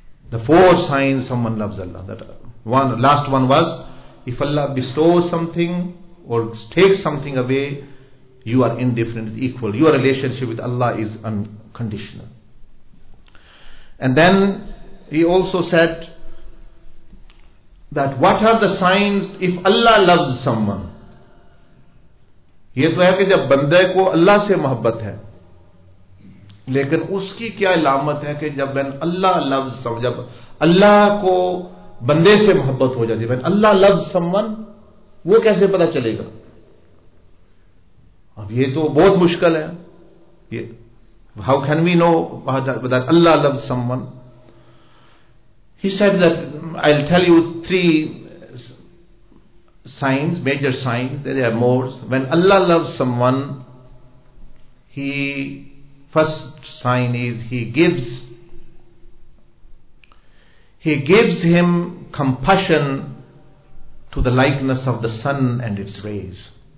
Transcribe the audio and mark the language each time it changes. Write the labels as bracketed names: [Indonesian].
[English] The 4 signs someone loves Allah. That one, last one was, if Allah bestows something or takes something away, you are indifferent, equal. Your relationship with Allah is unconditional. And then he also said, that what are the signs if Allah loves someone? [Hindi] ये तो है कि जब बंदे को अल्लाह से मोहब्बत है, लेकिन उसकी क्या इलामत है कि जब [English] when Allah loves someone, [Hindi] जब अल्लाह को बंदे से मोहब्बत हो जाती है, when Allah loves someone, वो कैसे पता चलेगा? अब ये तो बहुत मुश्किल है. [English] ये how can we know that Allah loves someone? He said that I'll tell you 3 signs, major signs, there are more. When Allah loves someone, he first sign is he gives him compassion to the likeness of the sun and its rays.